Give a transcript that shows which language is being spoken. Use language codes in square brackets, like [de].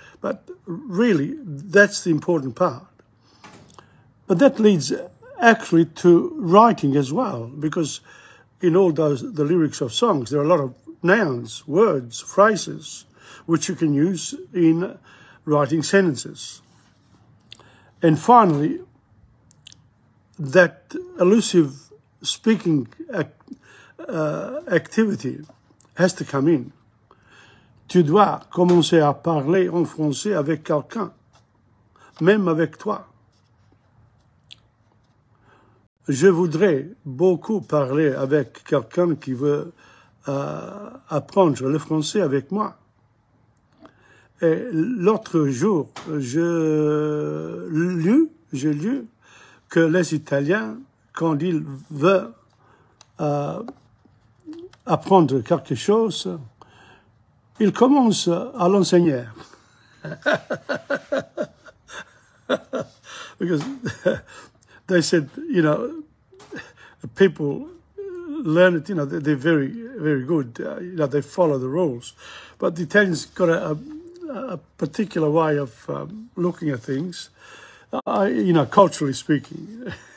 [en] But really, that's the important part. But that leads actually to writing as well, because in all those the lyrics of songs, there are a lot of nouns, words, phrases, which you can use in writing sentences. And finally, that elusive speaking activity has to come in. [fr] Tu dois commencer à parler en français avec quelqu'un, même avec toi. Je voudrais beaucoup parler avec quelqu'un qui veut apprendre le français avec moi. Et l'autre jour, j'ai lu que les Italiens, quand ils veulent apprendre quelque chose, il commence à l'enseigner. [en] Because they said, you know, people learn it, you know, they're very, very good. You know, they follow the rules. But the Italians got a particular way of looking at things, culturally speaking.